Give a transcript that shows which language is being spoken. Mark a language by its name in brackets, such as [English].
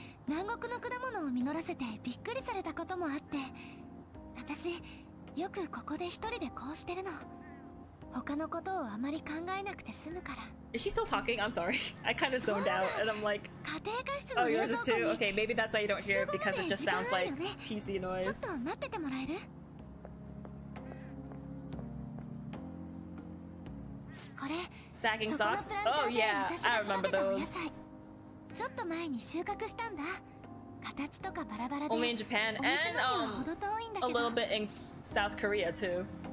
[Japanese] 南国の果物を実らせてびっくりされたこともあって、私よくここで一人でこうしてるの。他のことをあまり考えなくて済むから。 [English] Is she still talking? I'm sorry. I kind of zoned out and I'm like, [Japanese] 家庭科室の冷蔵庫に週5まで時間あるよね。 [English] Okay, maybe that's why you don't hear it because it just sounds like PC noise. [Japanese] ちょっと待っててもらえる？これ、 [English] Sagging socks? Oh yeah, I remember those. [Japanese] ちょっと前に収穫したんだ。形とかバラバラで、お店の時はほど遠いんだけど。 [English] A little bit in South Korea too.